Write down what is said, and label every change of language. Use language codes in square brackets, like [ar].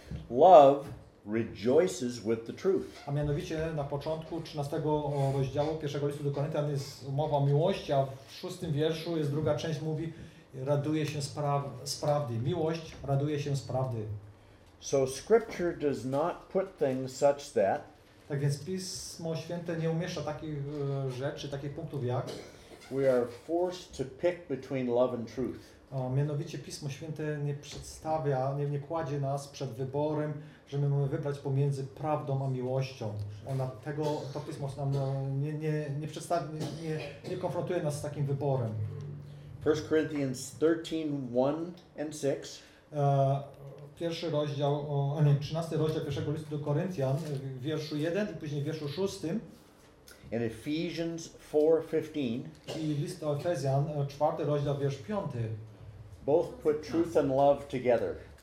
[en] Love rejoices with the truth. [pl] A mianowicie na początku 13 rozdziału pierwszego listu do Koryntian jest mowa o miłości, a w 6 wierszu jest druga część, mówi raduje się z prawdy. Miłość raduje się z prawdy. [en] So scripture does not put things such that. [pl] Tak więc Pismo Święte nie umieszcza takich rzeczy, takich punktów jak. [en] We are forced to pick between love and truth. [pl] A mianowicie Pismo Święte nie przedstawia, nie kładzie nas przed wyborem, że my mamy wybrać pomiędzy prawdą a miłością. Ona tego, to Pismo nam nie przedstawia, nie konfrontuje nas z takim wyborem. [en] 1 Corinthians 13, 1 and 6. [pl] Pierwszy rozdział, a nie, 13 rozdział pierwszego listu do Koryntian, wierszu 1 i później wierszu 6. [en] In Ephesians 4, 15. [pl] I list do Efezjan, 4 rozdział, wiersz 5. [en] Both put truth and love together.